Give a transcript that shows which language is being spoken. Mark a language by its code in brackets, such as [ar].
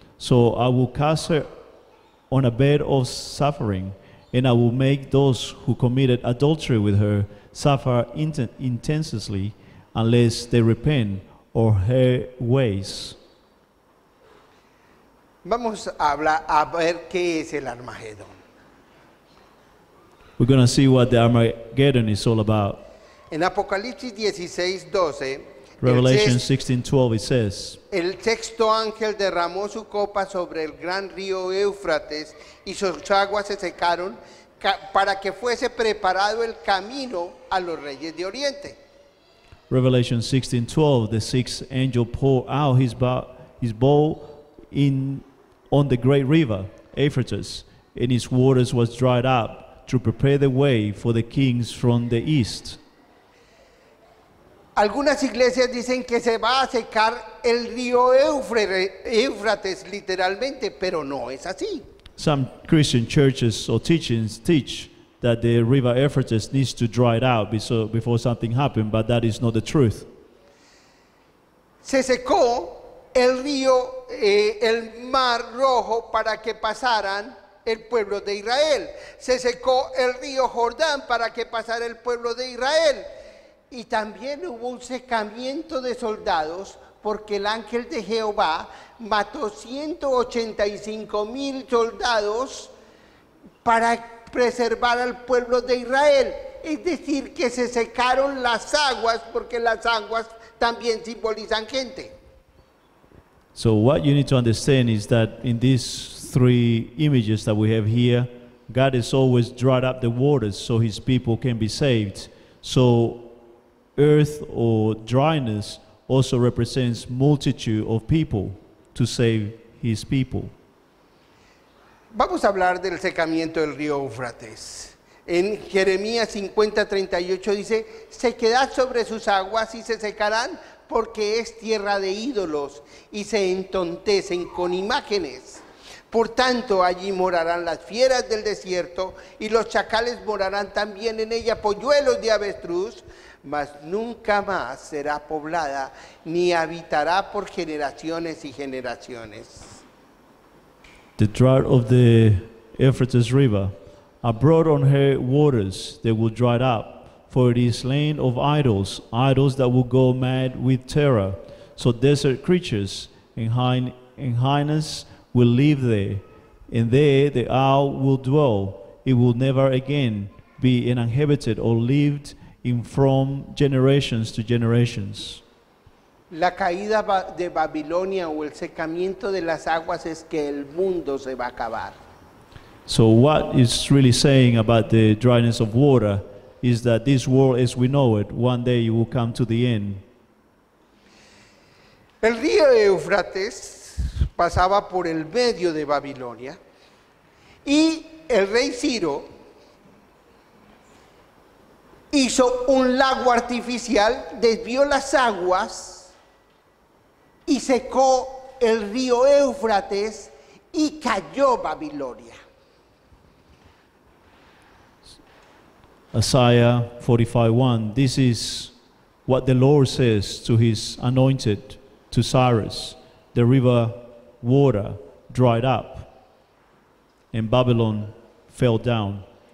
[en] So I will cast her on a bed of suffering, and I will make those who committed adultery with her suffer intensely unless they repent or her ways. [es] Vamos a hablar a ver qué es el Armagedón. [en] We're going to see what the Armageddon is all about. [es] En Apocalipsis 16, 12, [en] Revelation 16:12, it says, [es] el sexto ángel derramó su copa sobre el gran río Éufrates y sus aguas se secaron para que fuese preparado el camino a los reyes de Oriente. [en] Revelation 16:12, the sixth angel poured out his bowl on the great river Euphrates, and its waters was dried up to prepare the way for the kings from the east. [es] Algunas iglesias dicen que se va a secar el río Éufrates literalmente, pero no es así. [en] Some Christian churches or teachings teach that the river Euphrates needs to dry it out before something happens, but that is not the truth. [es] Se secó el río, el mar rojo para que pasaran el pueblo de Israel. Se secó el río Jordán para que pasara el pueblo de Israel. Y también hubo un secamiento de soldados porque el ángel de Jehová mató 185,000 soldados para preservar al pueblo de Israel. Es decir, que se secaron las aguas porque las aguas también simbolizan gente. [en] So what you need to understand is that in these three images that we have here, God has always dried up the waters so his people can be saved. So earth or dryness also represents multitude of people to save his people. [es] Vamos a hablar del secamiento del río Éufrates. En Jeremías 50:38 dice, se quedan sobre sus aguas y se secarán porque es tierra de ídolos y se entontecen con imágenes. Por tanto, allí morarán las fieras del desierto y los chacales morarán también en ella, polluelos de avestruz, mas nunca más será poblada ni habitará por generaciones y generaciones. [en] The drought of the Euphrates River, abroad on her waters they will dry up, for it is land of idols, idols that will go mad with terror. So desert creatures and hyenas will live there, and there the owl will dwell. It will never again be uninhabited or lived in from generations to generations. [es] La caída de Babilonia o el secamiento de las aguas es que el mundo se va a acabar. [en] So what it's really saying about the dryness of water is that this world as we know it, one day it will come to the end. [es] El río Éufrates pasaba por el medio de Babilonia y el rey Ciro hizo un lago artificial, desvió las aguas y secó el río Éufrates y cayó Babilonia. [en] Isaiah 45:1, this is what the Lord says to his anointed, to Cyrus. The river water dried up and Babylon fell down.